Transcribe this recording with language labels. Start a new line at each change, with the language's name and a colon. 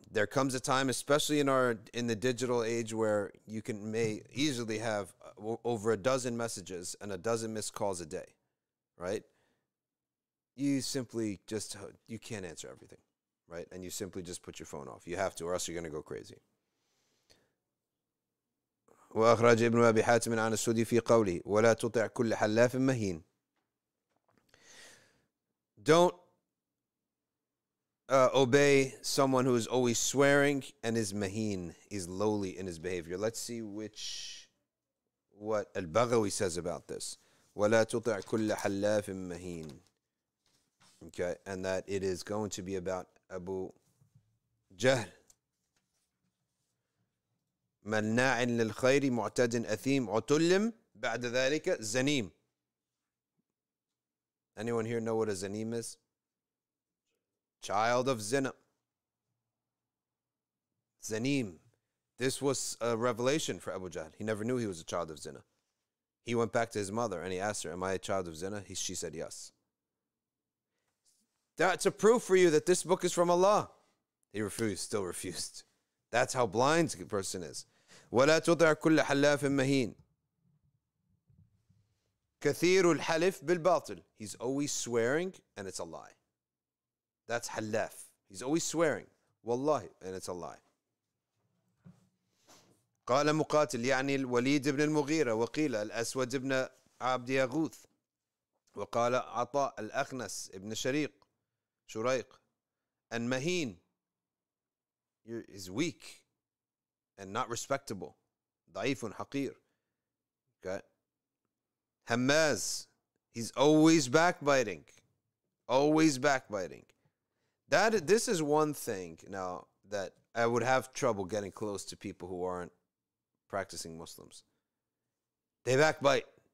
English: There comes a time, especially in the digital age, where you may easily have over a dozen messages and a dozen missed calls a day, right? You simply just, you can't answer everything, right? And you simply just put your phone off. You have to, or else you're going to go crazy.
Arabic: وأخرج ابن أبي حاتم عن السدي في قوله ولا تطع كل حلاف مهين.
English: Don't obey someone who is always swearing and is maheen, is lowly in his behavior. Let's see what Al-Baghawi says about this.
Arabic: ولا تطع كل حلاف مهين.
English: Okay, and that it is going to be about Abu Jahl.
Arabic: مَنَّاعٍ لِلْخَيْرِ مُعْتَدٍ أَثِيمٍ عُتُلِّمْ بَعْدَ ذَلِكَ زَنِيمٍ.
English: Anyone here know what a zanim is? Child of zina. Zanim. This was a revelation for Abu Jahl. He never knew he was a child of zina. He went back to his mother and he asked her, am I a child of zina? She said yes. That's a proof for you that this book is from Allah. He refused, still refused. That's how blind a person is.
Arabic: ولا تطع كل حلاف مهين كثير الحلف بالباطل.
English: He's always swearing and it's a lie. That's حلاف. He's always swearing. والله, and it's a lie.
Arabic: قال مقاتل يعني الوليد بن المغيرة وقيل الأسود بن عبد يغوث وقال عطاء الأخنس بن شريق
English: and مهين is weak and not respectable.
Arabic: Daifun haqir.
English: Okay. Hamaz. He's always backbiting. always backbiting. This is one thing now that I would have trouble getting close to people who aren't practicing Muslims. They backbite.